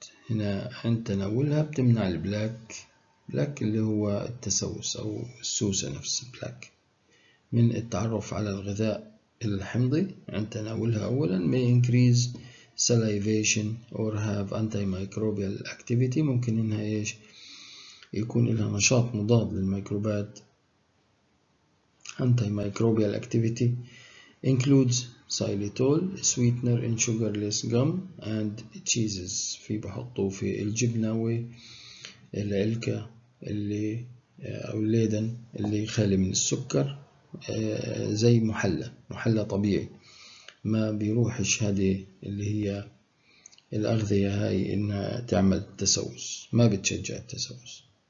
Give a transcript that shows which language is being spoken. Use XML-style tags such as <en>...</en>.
<ar>هنا عند تناولها بتمنع البلاك اللي هو التسوس او السوسة نفس البلاك من التعرف على الغذاء الحمضي عند تناولها اولا.</ar> <en>may increase salivation or have antimicrobial activity،</en> <ar>ممكن إنها إيش يكون لها نشاط مضاد للميكروبات.</ar> <en>Antimicrobial activity includes xylitol, sweetener in sugarless gum and cheeses.</en> <ar>في بحطوا في الجبنة والعلكة اللي أو الليدن اللي خالي من السكر، زي محلى، محلى طبيعي ما بيروحش هذه اللي هي الأغذية هاي إنها تعمل تسوس، ما بتشجع التسوس.</ar>